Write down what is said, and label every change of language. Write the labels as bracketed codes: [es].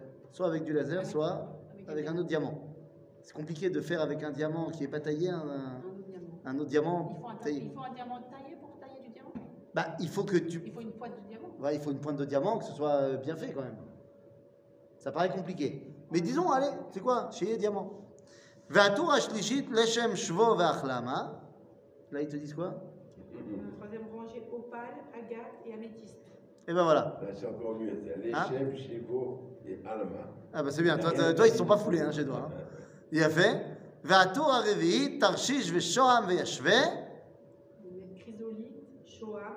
[fr] Soit avec du laser, soit avec un autre diamant. C'est compliqué de faire avec un diamant qui n'est pas taillé un autre diamant. Il faut un diamant taillé pour tailler du diamant? Bah, il faut que tu... Il faut une pointe de diamant. Ouais, il faut une pointe de diamant, que ce soit bien fait quand même. Ça paraît compliqué. Mais disons, allez, c'est quoi? Chez les diamants. [he] והטור השלישית לשם שבו ואחלמה. [fr] Là, ils te disent quoi ? Troisième rangée, opale, agate et améthyste. Et ben voilà. Là, c'est encore mieux. C'est les chèvres, hein? Chevaux et alma. Ah ben c'est bien. Toi, ils ne sont pas foulés hein, chez toi. Hein. Il y a fait. [he] Vatour arrivi, tarchish, vechoam, veyachve. [fr] Les chrysolites, choam.